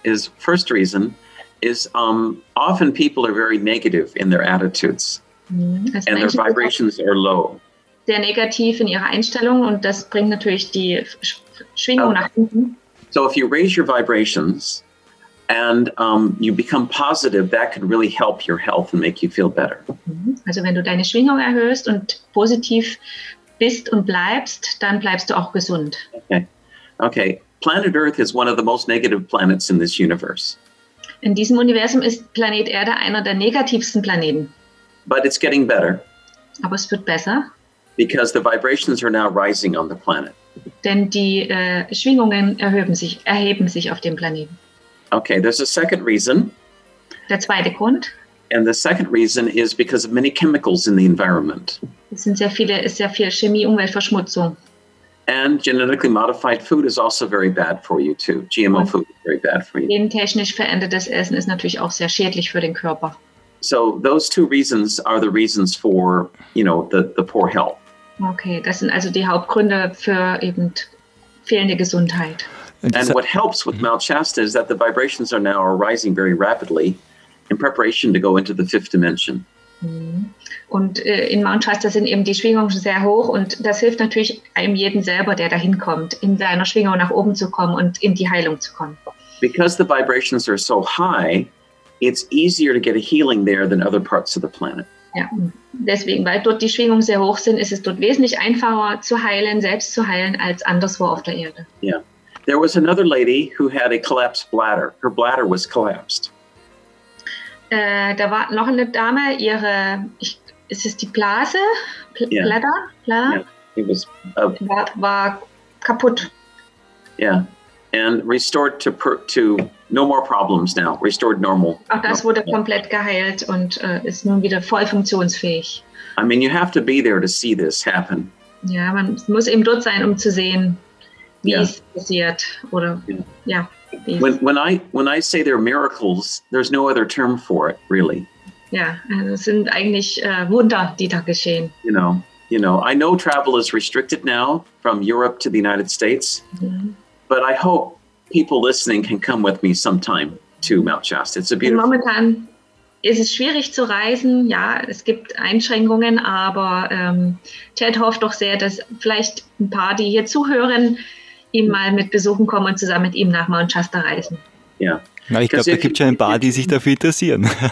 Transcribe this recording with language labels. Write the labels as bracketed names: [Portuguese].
[English] Is first reason is often people are very negative in their attitudes and their vibrations are low. [German] Sehr negativ in ihrer Einstellung und das bringt natürlich die Schwingung nach unten. [English] So if you raise your vibrations and you become positive, that can really help your health and make you feel better. [German] Also wenn du deine Schwingung erhöhst und positiv bist und bleibst, dann bleibst du auch gesund. [English] Okay. Planet Earth is one of the most negative planets in this universe. [German] In diesem Universum ist Planet Erde einer der negativsten Planeten. [English] But it's getting better. [German] Aber es wird besser. [English] Because the vibrations are now rising on the planet. [German] Denn die Schwingungen erheben sich auf dem Planeten. [English] Okay, there's a second reason. [German] Der zweite Grund. [English] And the second reason is because of many chemicals in the environment. [German] Es sind sehr viel Chemie, Umweltverschmutzung. [English] And genetically modified food is also very bad for you too. GMO food is very bad for you. [German] Gentechnisch verändertes Essen ist natürlich auch sehr schädlich für den Körper. [English] So those two reasons are the reasons for, you know, the poor health. [German] Okay, das sind also die Hauptgründe für eben fehlende Gesundheit. [English] And what helps with Mount Shasta is that the vibrations are now rising very rapidly in preparation to go into the fifth dimension. [German] Und in Mount Shasta sind eben die Schwingungen schon sehr hoch und das hilft natürlich einem jeden selber, der dahin kommt, in seiner Schwingung nach oben zu kommen und in die Heilung zu kommen. [English] Because the vibrations are so high, it's easier to get a healing there than other parts of the planet. [German] Ja, deswegen, weil dort die Schwingungen sehr hoch sind, ist es dort wesentlich einfacher zu heilen, selbst zu heilen, als anderswo auf der Erde. [English] Yeah. There was another lady who had a collapsed bladder. Her bladder was collapsed. [German] Da war noch eine Dame, ihre, ist es die Blase? [English] Bladder? Yeah. It was [German] war kaputt. [English] Yeah. And restored to no more problems now. Restored normal. [German] Auch das wurde komplett geheilt und ist nun wieder voll funktionsfähig. [English] I mean, you have to be there to see this happen. [German] Ja, man muss eben dort sein, um zu sehen, wie es passiert oder [English] When I say they're miracles, there's no other term for it, really. [German] Yeah, also es sind eigentlich Wunder, die da geschehen. [English] You know, I know travel is restricted now from Europe to the United States. Mm-hmm. But I hope people listening can come with me sometime to Mount Shasta. It's a beautiful. [German] Momentan ist es schwierig zu reisen. Ja, es gibt Einschränkungen, aber Ted hofft doch sehr, dass vielleicht ein paar, die hier zuhören, ihn mal mit besuchen kommen und zusammen mit ihm nach Mount Shasta reisen. Ja. [English] Yeah. [German] Ich glaube, da gibt es schon ein paar, die sich dafür interessieren.